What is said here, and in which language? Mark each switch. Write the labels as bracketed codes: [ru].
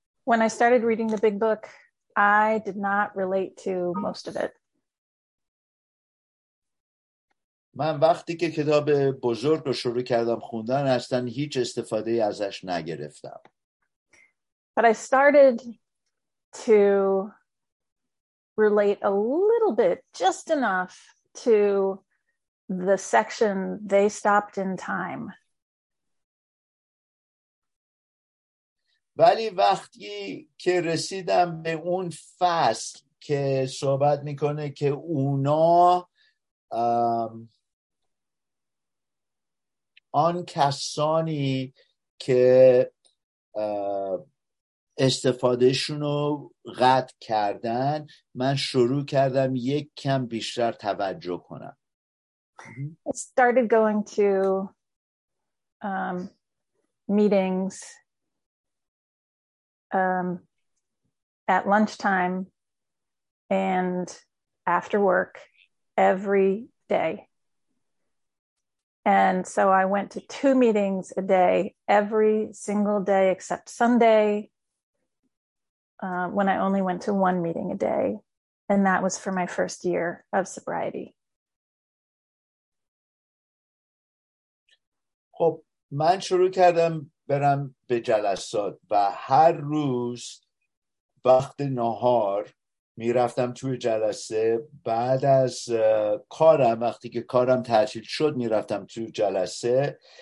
[en] When I started reading the big book, I did not relate to most of it. [fa] من وقتی که کتاب بزرگ رو شروع کردم خوندن اصلا هیچ استفاده ازش نگرفتم. [en] But I started to relate a little bit, just enough to the section they stopped in time. [fa] ولی وقتی که رسیدم به اون فصل که صحبت میکنه که اونا آن کسانی که استفادهشون رو قطع کردن من شروع کردم یک کم بیشتر توجه کنم. [en] I started going to meetings at lunchtime and after work every day. And so I went to 2 meetings a day, every single day except Sunday, when I only went to 1 meeting a day. And that was for my first year of sobriety. [fa] خب من شروع کردم برم به جلسات و هر روز وقت نهار می رفتم توی جلسه. بعد از کارم وقتی که کارم تعطیل شد می رفتم توی جلسه.